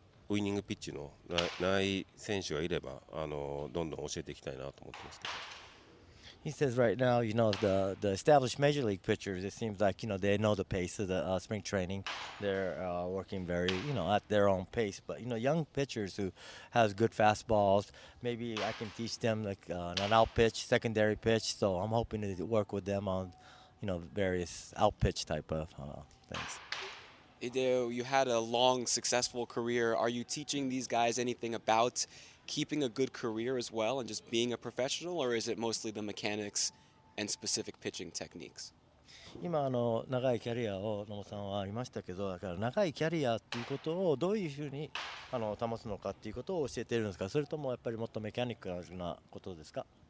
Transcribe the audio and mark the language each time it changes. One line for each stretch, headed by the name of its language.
Japanese: ウイニングピッチのない選手がいれば、どんどん教えていきたいなと思ってますけど。
English: He says right now, you know, the established major league pitchers, it seems like, you know, they know the pace of the spring training. They're working very, you know, at their own pace. But, you know, young pitchers who have good fastballs, maybe I can teach them like an out pitch, secondary pitch. So I'm hoping to work with them on, you know, various out pitch type of things. Hideo, you had a long, successful career. Are you teaching these guys anything about keeping a good career as well and just being a professional, or is it mostly the mechanics and specific pitching techniques?
Japanese: 今長いキャリアを野茂さんはありましたけど、だから長いキャリアということをどういうふうに保つのかということを教えているんですか、それともやっぱりもっとメカニックなことですか？